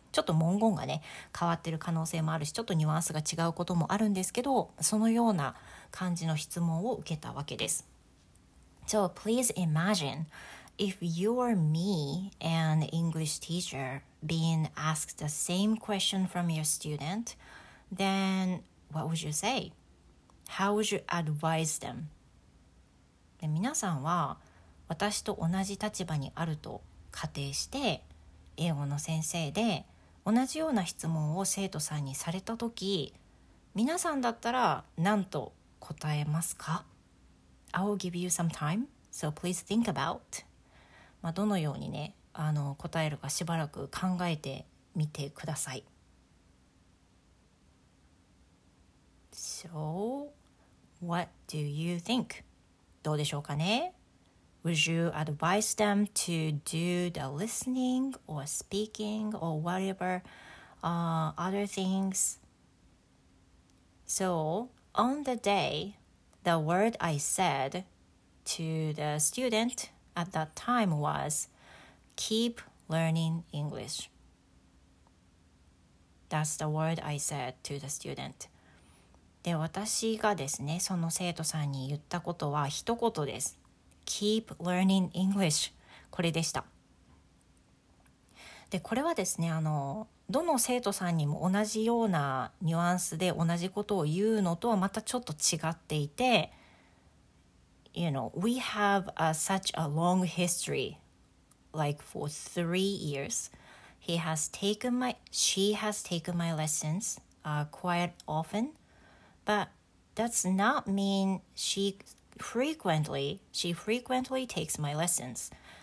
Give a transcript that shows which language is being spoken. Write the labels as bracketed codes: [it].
[ja] ちょっと文言がね変わってる可能性もあるし、ちょっとニュアンスが違うこともあるんですけど、そのような感じの質問を受けたわけです。 [en] So please imagine if you're me an English teacher being asked the same question from your student, then what would you say? How would you advise them? [ja] で、皆さんは私と同じ立場にあると仮定して、英語の先生で同じような質問を生徒さんにされた時、皆さんだったら何と答えますか？ [en] I will give you some time, so please think about、 [ja] まあ、どのようにね、答えるかしばらく考えてみてください。 [en] So what do you think? [ja] どうでしょうかね？ [en] Would you advise them to do the listening or speaking or whatever other things? So, on the day, the word I said to the student at that time was, keep learning English. That's the word I said to the student. [ja] で、私がですね、その生徒さんに言ったことは一言です。 [en] Keep learning English、 [ja] これでした。で、これはですね、どの生徒さんにも同じようなニュアンスで同じことを言うのとはまたちょっと違っていて、 [en] You know, we have a, such a long history, like for 3 years, he has taken my, she has taken my lessons、quite often, but that's not mean shefrequently takes my lessons.